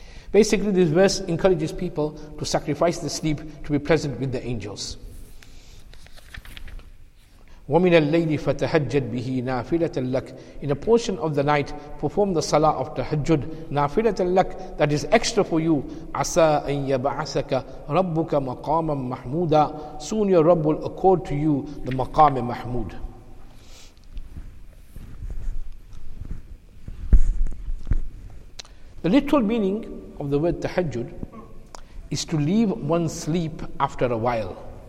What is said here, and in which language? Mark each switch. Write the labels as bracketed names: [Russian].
[English] Basically, this verse encourages people to sacrifice the sleep to be present with the angels. [Arabic] وَمِنَ اللَّيْلِ فَتَهَجَّدْ بِهِ نَافِلَةً لَكْ. [English] In a portion of the night, perform the salah of tahajjud. [Arabic] نَافِلَةً لَكْ, [English] that is extra for you. [Arabic] عَسَىٰ أَن يَبْعَثَكَ رَبُّكَ مَقَامًا مَحْمُودًا. [English] Soon your Rabb will accord to you the maqam mahmood. The literal meaning of the word tahajjud is to leave one's sleep after a while.